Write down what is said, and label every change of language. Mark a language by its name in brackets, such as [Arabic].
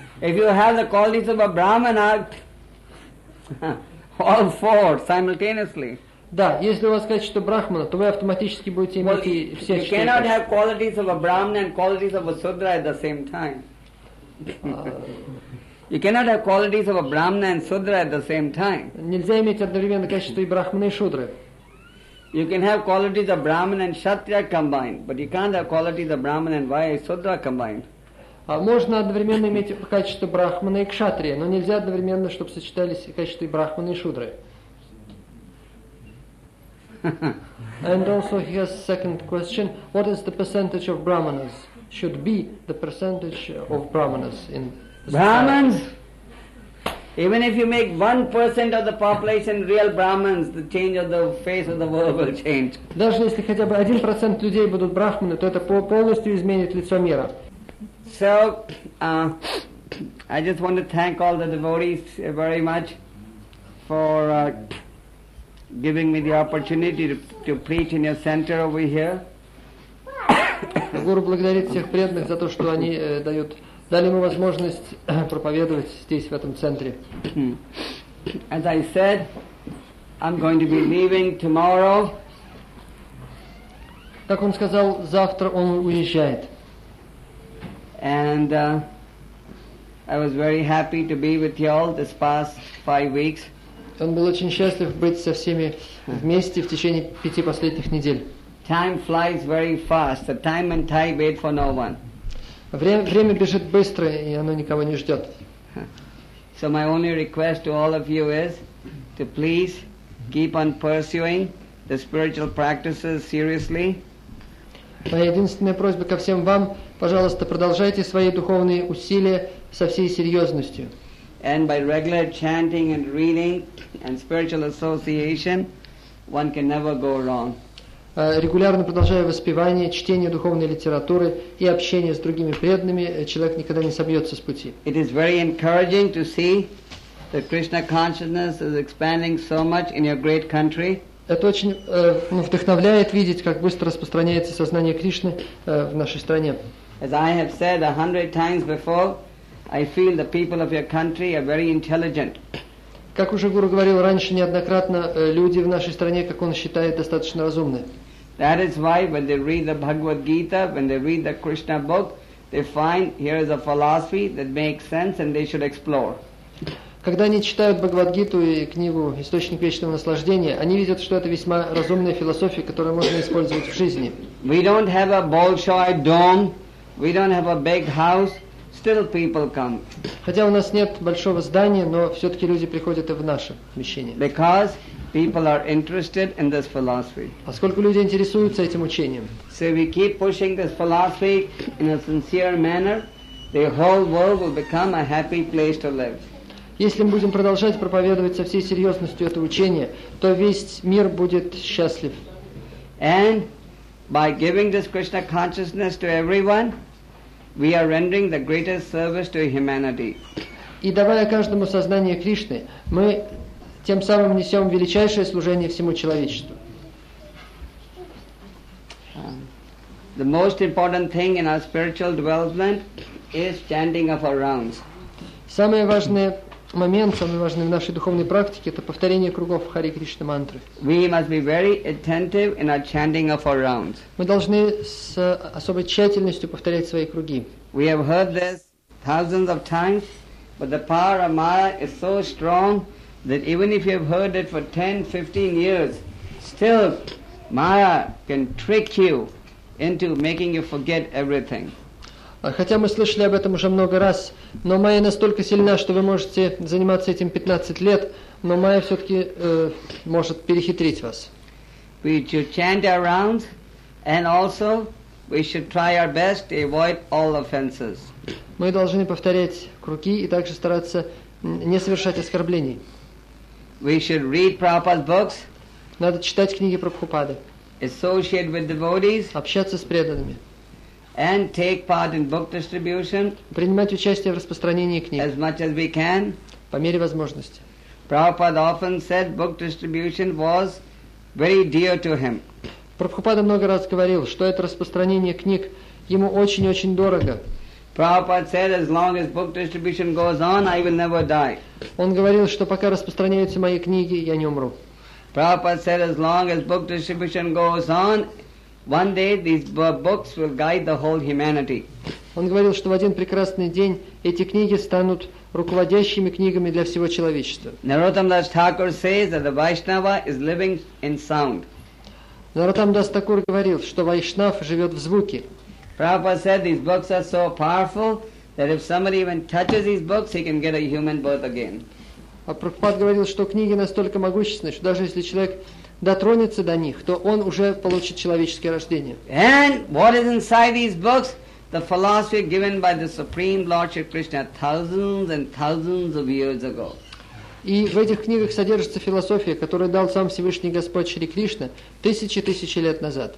[English] If you have the qualities of a brahmana, all four simultaneously. [Russian] Да, если у вас качество брахмана, то вы автоматически будете иметь все четыре. [English] You cannot have qualities of a brahmana and qualities of a sudra at the same time. You cannot have qualities of a brahmana and sudra at the same time. [Russian] Нельзя иметь одновременно качество и брахмана и шудры. [English] You can have qualities of Brahman and Kshatriya combined, but you can't have qualities of Brahman and Vaishudra combined. [Russian] Можно одновременно иметь качество Брахмана и Кшатрия, но нельзя одновременно, чтобы сочетались качества Брахмана и Шудры. [English] And also he has second question, what is the percentage of Brahmanas? Should be the percentage of Brahmanas in Brahmans? Even if you make 1% of the population real Brahmins, the change of the face of the world will change. [Russian] Даже если хотя бы 1% людей будут брахманы, то это полностью изменит лицо мира. [English] So, I just want to thank all the devotees very much for giving me the opportunity to preach in your center over here. [Russian] Гуру благодарит всех преданных за то, что они дают. Дали ему возможность проповедовать здесь, в этом центре. [English] As I said, I'm going to be leaving tomorrow. [Russian] Как он сказал, завтра он уезжает. [English] And I was very happy to be with you all this past 5 weeks. [Russian] Он был очень счастлив быть со всеми вместе в течение 5 последних недель. [English] Time flies very fast. The time and tide wait for no one. [Russian] Время бежит быстро, и оно никого не ждет. [English] So my only request to all of you is to please keep on pursuing the spiritual practices seriously. [Russian] Моя единственная просьба ко всем вам, пожалуйста, продолжайте свои духовные усилия со всей серьезностью. [English] And by regular chanting and reading and spiritual association, one can never go wrong. [Russian] регулярно продолжая воспевание, чтение духовной литературы и общение с другими преданными, человек никогда не собьется с пути. [English] It is very encouraging to see that Krishna consciousness is expanding so much in your great country. [Russian] Это очень вдохновляет видеть, как быстро распространяется сознание Кришны в нашей стране. [English] As I have said 100 times before, I feel the people of your country are very intelligent. [Russian] Как уже Гуру говорил раньше неоднократно, люди в нашей стране, как он считает, достаточно разумны. [English] That is why when they read the Bhagavad Gita, when they read the Krishna book, they find here is a philosophy that makes sense and they should explore. [Russian] Когда они читают Бхагавад-гиту и книгу «Источник вечного наслаждения», они видят, что это весьма разумная философия, которую можно использовать в жизни. [English] We don't have a Bolshoi dome, we don't have a big house, still people come. [Russian] Хотя у нас нет большого здания, но все-таки люди приходят и в наше помещение. [English] Because people are interested in this philosophy. [Russian] Поскольку люди интересуются этим учением. [English] So we keep pushing this philosophy in a sincere manner, the whole world will become a happy place to live. [Russian] Если мы будем продолжать проповедовать со всей серьезностью это учение, то весь мир будет счастлив. [English] And by giving this Krishna consciousness to everyone, we are rendering the greatest service to humanity. [Russian] И давая каждому сознание Кришны, мы тем самым несем величайшее служение всему человечеству. [English] The most important thing in our spiritual development is chanting of our rounds. [Russian] Самое важное момент, самый важный в нашей духовной практике, это повторение кругов Хари Кришна мантры. [English] We must be very attentive in our chanting of our rounds. [Russian] Мы должны с особой тщательностью повторять свои круги. [English] We have heard this thousands of times, but the power of Maya is so strong that even if you have heard it for 10-15 years, still Maya can trick you into making you forget everything. [Russian] Хотя мы слышали об этом уже много раз, но майя настолько сильна, что вы можете заниматься этим 15 лет, но майя все-таки может перехитрить вас. [English] We should chant our rounds, and also we should try our best to avoid all offenses. [Russian] Мы должны повторять круги и также стараться не совершать оскорблений. [English] We should read Prabhupada's books. [Russian] Надо читать книги Прабхупады. [English] Associate with devotees. [Russian] Общаться с преданными. [English] And take part in book distribution. [Russian] Принимать участие в распространении книг. [English] As much as we can. [Russian] По мере возможности. [English] Prabhupada often said book distribution was very dear to him. [Russian] Прабхупада много раз говорил, что это распространение книг ему очень-очень дорого. [English] Prabhupada said, as long as book distribution goes on, I will never die. [Russian] Он говорил, что пока распространяются мои книги, я не умру. [English] Prabhupada said, as long as book distribution goes on, one day these books will guide the whole humanity. [Russian] Он говорил, что в один прекрасный день эти книги станут руководящими книгами для всего человечества. [English] Narottam Das Thakur says that the Vaishnava is living in sound. [Russian] Narottam Das Thakur говорил, что Вайшнав живет в звуке. [English] Prabhupada said these books are so powerful that if somebody even touches these books, he can get a human birth again. [Russian] А Прабхупад говорил, что книги настолько могущественны, что даже если человек дотронется до них, то он уже получит человеческое рождение. [English] And what is inside these books? The philosophy given by the Supreme Lord Shri Krishna thousands and thousands of years ago. [Russian] И в этих книгах содержится философия, которую дал сам Всевышний Господь Шри Кришна тысячи-тысячи лет назад.